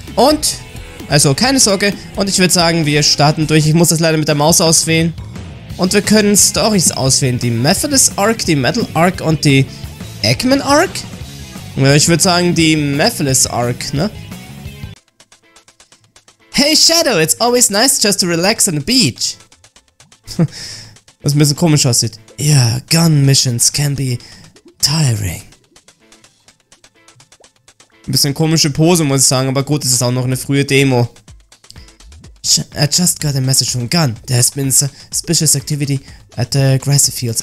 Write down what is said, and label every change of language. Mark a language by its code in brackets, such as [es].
[de] Und, also keine Sorge, und ich würde sagen, wir starten durch. Ich muss das leider mit der Maus auswählen. Und wir können Stories auswählen. Die Methodist Arc, die Metal Arc und die Eggman Arc? Ja, ich würde sagen, die Methodist Arc, ne? [en] Hey Shadow, it's always nice just to relax on the beach. [de] Was ein bisschen komisch aussieht. [en] Yeah, gun missions can be tiring. [de] Ein bisschen komische Pose, muss ich sagen, aber gut, es ist auch noch eine frühe Demo. [en] I just got a message from Gunn. There has been suspicious activity at the grassy fields.